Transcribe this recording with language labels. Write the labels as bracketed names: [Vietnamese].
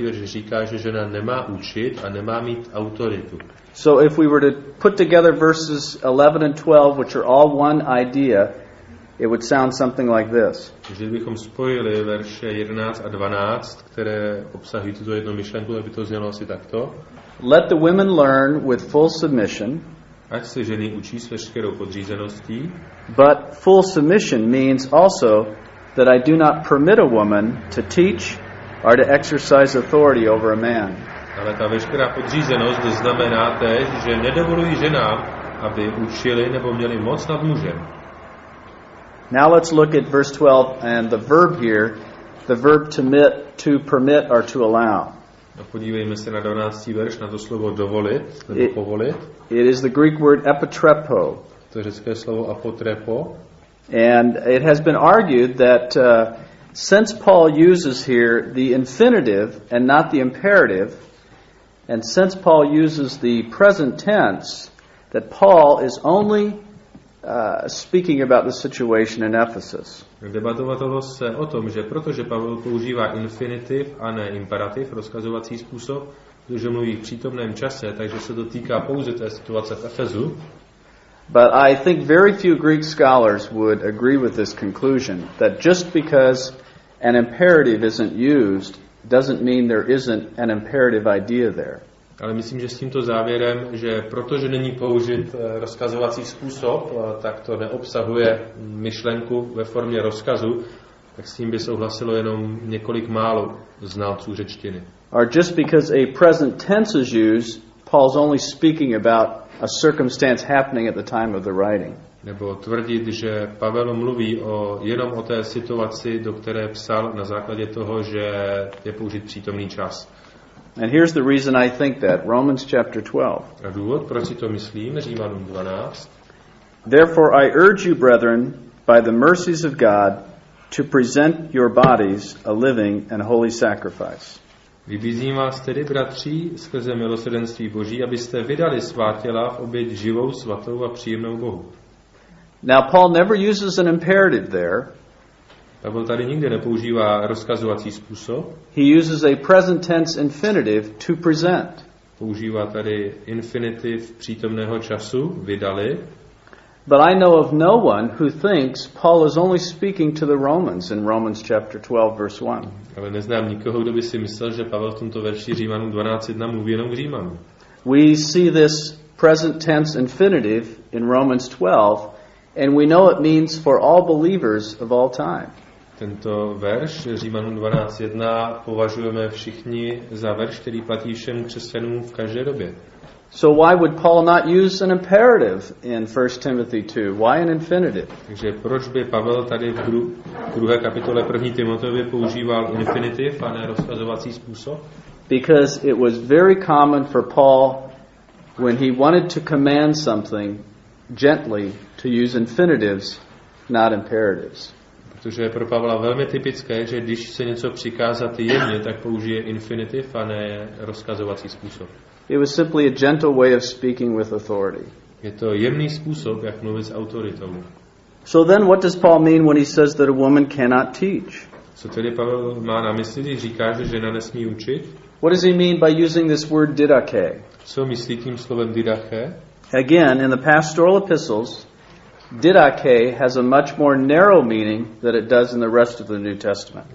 [Czech] verš říká, že žena nemá učit a nemá mít autoritu. [English] So if we were to put together verses 11 and 12, which are all one idea, it would sound something like this. [Czech] Takže kdybychom spojili verše 11 a 12, které obsahují tuto jednu myšlenku, aby to znělo asi takto. [English] Let the women learn with full submission. [Czech] Ať se ženy učí s veškerou podřízeností. [English] But full submission means also that I do not permit a woman to teach or to exercise authority over a man. [Czech] Ale ta veškerá podřízenost znamená též, že nedovolují ženám, aby učili nebo měli moc nad mužem. [English] Now let's look at verse 12 and the verb here, the verb to permit or to allow. [Czech] A podívejme se na 12. verš, na to slovo dovolit, nebo povolit. [English] It is the Greek word epitrepo. [Czech] To je řecké slovo apotrepo. [English] And it has been argued that since Paul uses here the infinitive and not the imperative, and since Paul uses the present tense, that Paul is only speaking about the situation in Ephesus. [Czech] Debatovalo se o tom, že protože Pavel používá infinitiv a ne imperativ, rozkazovací způsob, protože mluví v přítomném čase, takže se to týká pouze té situace v Efezu. [English] But I think very few Greek scholars would agree with this conclusion, that just because an imperative isn't used doesn't mean there isn't an imperative idea there. [Czech] Ale myslím, že s tímto závěrem, že protože není použit rozkazovací způsob, tak to neobsahuje myšlenku ve formě rozkazu, tak s tím by souhlasilo jenom několik málo znalců řečtiny. [English] Or just because a present tense is used, Paul's only speaking about a circumstance happening at the time of the writing. [Czech] Nebo tvrdit, že Pavel mluví jenom o té situaci, do které psal na základě toho, že je použit přítomný čas. [English] And here's the reason I think that, Romans chapter 12. [Czech] A důvod, proč si to myslím, Římanům 12. [English] Therefore I urge you, brethren, by the mercies of God, to present your bodies a living and holy sacrifice. [Czech] Vybízím vás tedy, bratři, skrze milosrdenství Boží, abyste vydali svá těla v oběť živou, svatou a příjemnou Bohu. [English] Now Paul never uses an imperative there. [Czech] Pavel tady nikdy nepoužívá rozkazovací způsob. [English] He uses a present tense infinitive to present. [Czech] Používá tady infinitiv přítomného času, vydali. [English] But I know of no one who thinks Paul is only speaking to the Romans in Romans chapter 12 verse 1. [Czech] Ale neznám nikoho, kdo by si myslel, že Pavel v tomto verši Římanům 12:1 mluví jenom k Římanům. [English] We see this present tense infinitive in Romans 12 and we know it means for all believers of all time. [Czech] Tento verš Římanům 12:1 považujeme všichni za verš, který platí všem křesťanům v každé době. [English] So why would Paul not use an imperative in 1 Timothy 2? Why an infinitive? [Czech] Takže proč by Pavel tady v druhé kapitole 1. Timoteovi používal infinitiv a ne rozkazovací způsob? [English] Because it was very common for Paul when he wanted to command something gently to use infinitives, not imperatives. [Czech] Protože pro Pavla velmi typické, že když se něco přikázat jemně, tak použije infinitiv a ne rozkazovací způsob. [English] It was simply a gentle way of speaking with authority. [Czech] Je to jemný způsob, jak mluvit s autoritou. [English] So then what does Paul mean when he says that a woman cannot teach? [Czech] Co tedy Pavel má na mysli, když říká, že žena nesmí učit? [English] What does he mean by using this word didache? [Czech] Co myslí tím slovem didache? [English] Again, in the pastoral epistles, didache has a much more narrow meaning than it does in the rest of the New Testament.